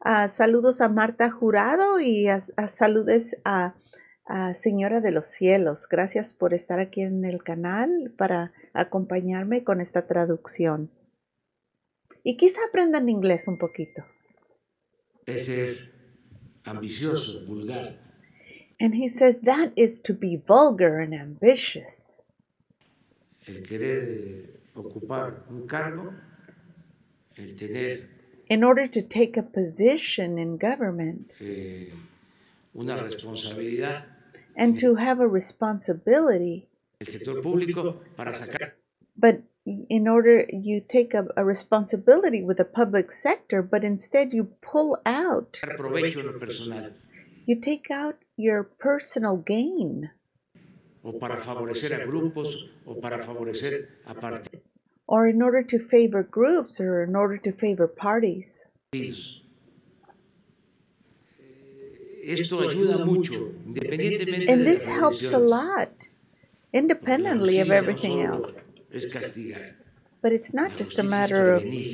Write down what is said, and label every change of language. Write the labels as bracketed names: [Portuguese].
[Spanish] Saludos a Marta Jurado y a saludes a Señora de los Cielos. Gracias por estar aquí en el canal para acompañarme con esta traducción. Y quizá aprendan inglés un poquito. Es ser ambicioso, vulgar. [English] And he says that is to be vulgar and ambitious. [Spanish] El querer ocupar un cargo, el tener... [English] In order to take a position in government, [Spanish] una responsabilidad, [English] and to have a responsibility, [Spanish] el sector público para sacar. [English] But in order you take a responsibility with the public sector, but instead you pull out, [Spanish] provecho en lo personal, [English] you take out your personal gain, [Spanish] o para favorecer a grupos, o para favorecer a partidos. [English] Or in order to favor groups, or in order to favor parties. [Spanish] Esto ayuda mucho, independientemente. [English] And this helps a lot, independently of everything else. [Spanish] Es castigar. [English] But it's not just a matter of.